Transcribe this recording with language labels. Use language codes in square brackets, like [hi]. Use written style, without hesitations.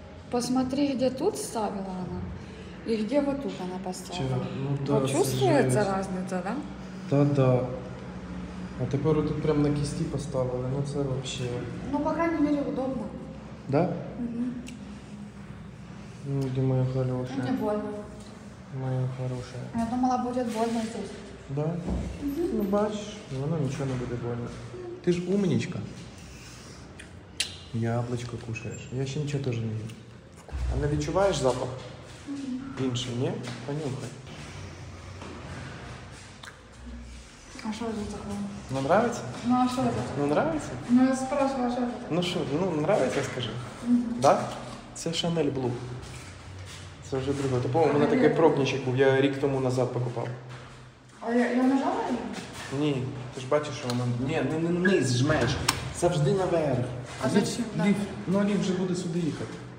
[uk] Посмотри, де тут ставила вона. І де вот тут вона поставила. Вчора. Ну так, да, почувствується різниця, да? Та-да. А тепер тут прям на кісті поставили. Ну це вообще... [ru] Ну, по крайней мере, удобно. Да? Угу. Ну, где моя хорошая? Ну, не больно. Моя хорошая. Я думала, будет больно здесь. Да? Угу. Ну, бачишь, оно ничего не будет больно. Ты ж умничка. Яблочко кушаешь. [uk] Я ще нічого теж не їм. А не відчуваєш запах? Угу. Інший, ні? Понюхай. А що це такое? [ru] Ну, нравится? [uk] Ну, а що це? [ru] Ну, нравится? Ну, я спрашиваю, [uk] а що це [ru] такое? Ну, що, ну, нравится, скажи. Угу. Да? [uk] Це Chanel Blue. Це вже друге. Тобто у мене такий пробничок був, я рік тому назад покупав. [ru] А я не жалую? [uk] Ні, ти ж бачиш, що воно... Ні, не вниз, жмеш. Завжди наверх. [ru] А зачем? [uk] Ліфт. Ну, а ліфт вже буде сюди їхати.